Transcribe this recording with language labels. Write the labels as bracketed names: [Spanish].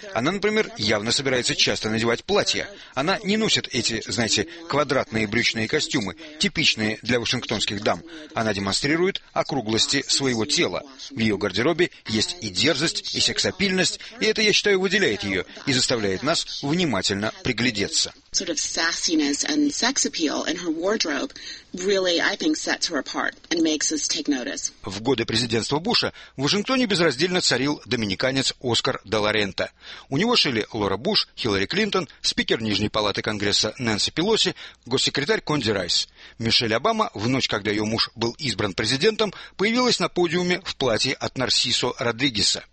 [Russian] Она, например, явно собирается часто надевать платья. Она не носит эти, знаете, квадратные брючные костюмы, типичные для вашингтонских дам. Она демонстрирует округлости своего тела. В ее гардеробе есть и дерзость, и сексапильность, и это, я считаю, выделяет ее и заставляет нас внимательно приглядеться. [English] Sort of sassiness and sex appeal in her wardrobe really, I think, sets her apart and makes us take notice. [Russian] В годы президентства Буша в Вашингтоне безраздельно царил доминиканец Оскар де ла Рента. У него шили Лора Буш, Хиллари Клинтон, спикер Нижней палаты Конгресса Нэнси Пелоси, госсекретарь Конди Райс. Мишель Обама в ночь, когда ее муж был избран президентом, появилась на подиуме в платье от Нарсисо Родригеса.